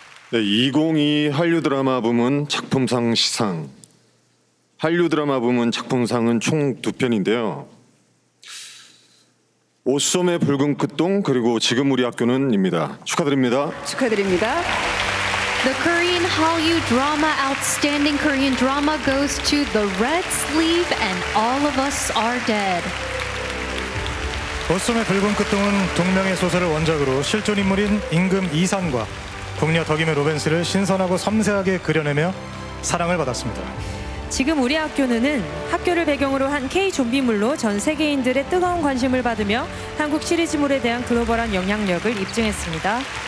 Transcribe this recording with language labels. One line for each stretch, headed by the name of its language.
Korean: 네, 2022 한류 드라마 부문 작품상 시상. 한류 드라마 부문 작품상은 총 두 편인데요. 옷소매 붉은 끝동 그리고 지금 우리 학교는 입니다. 축하드립니다. 축하드립니다.
English: The Korean Hallyu Drama Outstanding Korean Drama goes to The Red Sleeve and All of Us Are Dead.
Korean: 옷소매 붉은 끝동은 동명의 소설을 원작으로 실존 인물인 임금 이산과 궁녀 덕임의 로맨스를 신선하고 섬세하게 그려내며 사랑을 받았습니다. 지금 우리 학교는 학교를 배경으로 한 K-좀비물로 전 세계인들의 뜨거운 관심을 받으며 한국 시리즈물에 대한 글로벌한 영향력을 입증했습니다.